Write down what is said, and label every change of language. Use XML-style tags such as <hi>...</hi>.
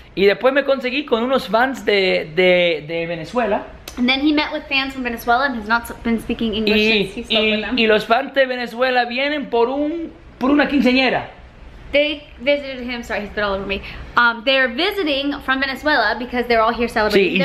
<es>Y después me conseguí con unos fans de Venezuela.</es> <en>And then he met with fans from Venezuela and has not been speaking English since he spoke with them.</en> <es>Y los fans de Venezuela vienen por una quinceañera.</es> <en>They visited him. Sorry, he's been all over me. They're visiting from Venezuela because they're all here celebrating.</en>